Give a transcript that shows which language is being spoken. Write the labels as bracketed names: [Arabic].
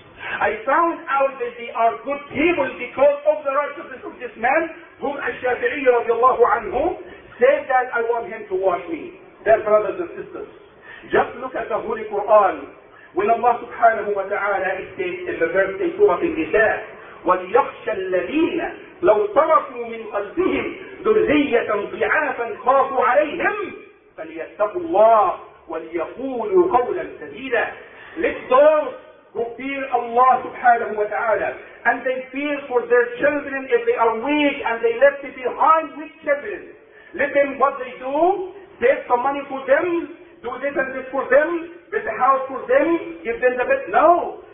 [English] I found out that they are good people because of the righteousness of this man, whom al-Shafi'i radiallahu anhu, said that I want him to wash me. Dear brothers and sisters, just look at the Holy Quran. When Allah subhanahu wa ta'ala states in the verse in Surah Al-Nisa, [Arabic] وَلْيَخْشَ الَّذِينَ لَوْ تَرَكُوا مِنْ قَلْبِهِمْ ذُرِّيَّةً ضِعَافًا خَافُوا عَلَيْهِمْ فَلْيَتَّقُوا اللَّهَ وَلْيَقُولُوا قَوْلًا سَدِيدًا. [English] Let those who fear Allah subhanahu wa ta'ala and they fear for their children if they are weak and they left it behind with children. Let them what they do, save some money for them, do this and this for them, build a house for them, give them the bed. No.